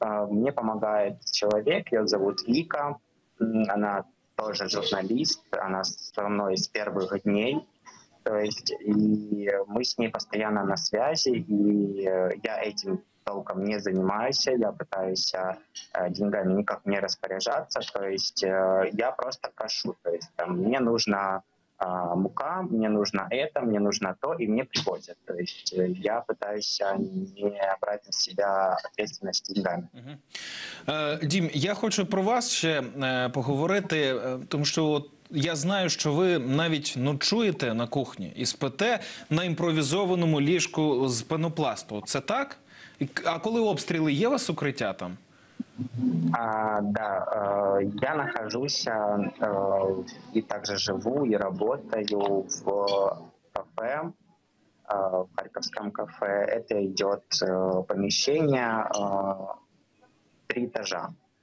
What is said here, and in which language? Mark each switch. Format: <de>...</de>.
<ru>мне помогает человек, ее зовут Вика, она тоже журналист, она со мной с первых дней, то есть и мы с ней постоянно на связи, и я этим толком не занимаюсь, я пытаюсь деньгами никак не распоряжаться, то есть я просто прошу, то есть там, мне нужна мука, мне нужно это, мне нужно то, и мне приходят. То есть я пытаюсь не брать на себя ответственность деньгами.</ru> <uk>Дім, я хочу про вас ще поговорити, тому що от я знаю, що ви навіть ночуєте на кухні і спите на імпровізованому ліжку з пенопласту. Це так? А коли обстріли, є у вас укриття там?</uk> <ru>Да, я нахожусь и также живу и работаю в кафе, в харьковском кафе. Это идет помещение три этажа.</ru>